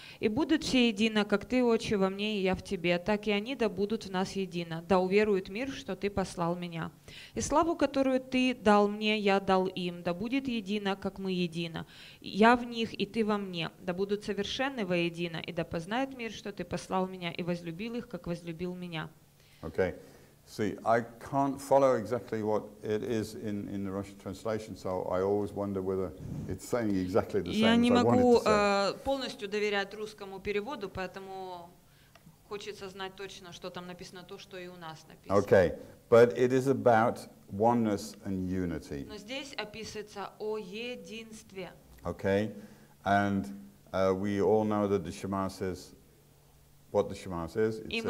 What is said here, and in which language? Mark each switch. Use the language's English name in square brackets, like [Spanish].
[Russian] «И будут все едино, как Ты, Отче, во мне, и я в Тебе, так и они да будут в нас едино, да уверует мир, что Ты послал меня. И славу, которую Ты дал мне, я дал им, да будет едино, как мы едино. Я в них, и Ты во мне, да будут совершенны воедино, и да познает мир, что Ты послал меня, и возлюбил их, как возлюбил меня». [English] Okay. See, I can't follow exactly what it is in the Russian translation, so I always wonder whether it's saying exactly the same as I wanted to say. [Russian] Я не могу полностью доверять русскому переводу, поэтому хочется знать точно, что там написано, то, что и у нас написано. [English] Okay, but it is about oneness and unity. [Russian] Но здесь описывается о единстве. [English] Okay, and we all know that the Shema says, what the Shema says,